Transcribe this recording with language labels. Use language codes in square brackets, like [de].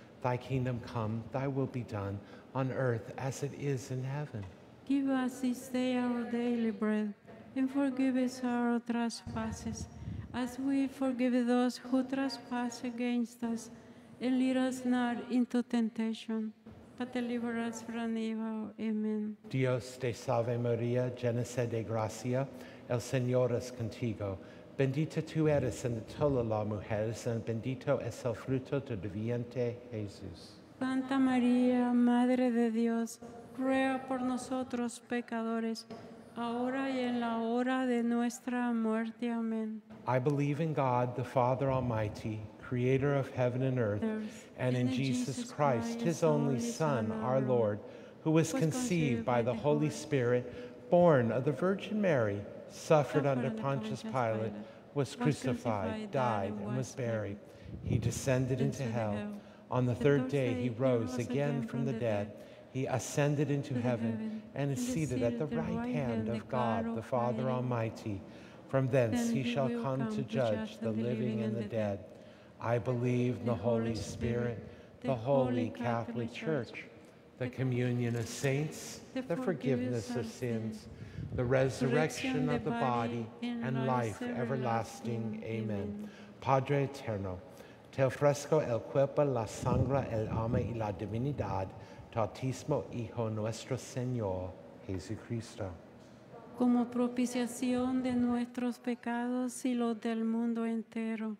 [en] Thy kingdom come, thy will be done, on earth as it is in heaven. Give us this day our daily bread, and forgive us our trespasses, as we forgive those who trespass against us. And lead us not into temptation, but deliver us from evil. Amen. [es] Dios te salve Maria, llena sei de gracia, el Señor es contigo. Bendita tu eres entre todas las mujeres, y bendito es el fruto de tu vientre, Jesús. Santa María, Madre de Dios, ruega por nosotros pecadores, ahora y en la hora de nuestra muerte. Amén. [en] I believe in God, the Father Almighty, creator of heaven and earth, and in Jesus Christ, his only Son, our Lord, who was conceived by the Holy Spirit, born of the Virgin Mary, suffered under Pontius Pilate, was crucified, died, and was buried. He descended into hell. On the third day he rose again from the dead. He ascended into heaven and is seated at the right hand of God, the Father Almighty. From thence he shall come to judge the living and the dead. I believe in the Holy Spirit, the Holy Catholic Church, the communion of saints, the forgiveness of sins, the resurrection of the body, and life everlasting. Amen. [es] Padre Eterno, te ofrezco el cuerpo, la sangre, el alma y la divinidad, Tautismo Hijo Nuestro Señor, Jesucristo. Como propiciación de nuestros pecados y los del mundo entero.